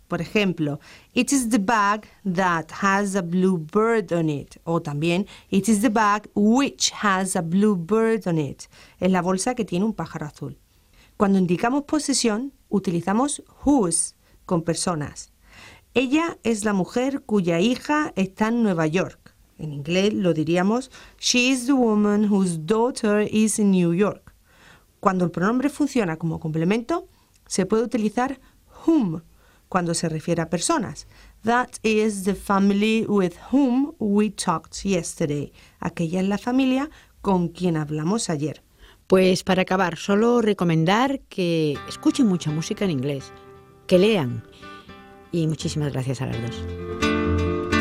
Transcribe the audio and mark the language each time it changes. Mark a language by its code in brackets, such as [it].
[en] Por ejemplo, it is the bag that has a blue bird on it. O también, it is the bag which has a blue bird on it. [es] Es la bolsa que tiene un pájaro azul. Cuando indicamos posesión, utilizamos whose con personas. Ella es la mujer cuya hija está en Nueva York. En inglés lo diríamos, [en] she is the woman whose daughter is in New York. [es] Cuando el pronombre funciona como complemento, se puede utilizar whom cuando se refiere a personas. [en] That is the family with whom we talked yesterday. [es] Aquella es la familia con quien hablamos ayer. Pues para acabar, solo recomendar que escuchen mucha música en inglés, que lean. Y muchísimas gracias a las dos.